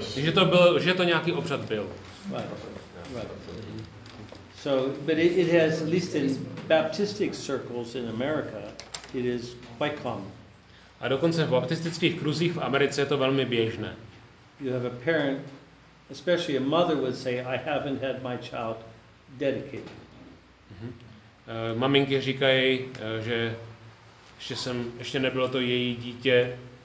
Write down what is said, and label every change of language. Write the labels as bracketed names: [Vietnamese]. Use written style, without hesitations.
[Czech] Že to byl, že to nějaký obřad byl. [English] Right. So, but it has at least in baptistic circles in America, it is quite common. [Czech] A dokonce v baptistických kruzích v Americe je to velmi běžné. [English] You have a parent, especially a mother would say, I haven't had my child dedicated. Mm-hmm. [Czech] Maminky říkají, že ještě nebylo to její dítě.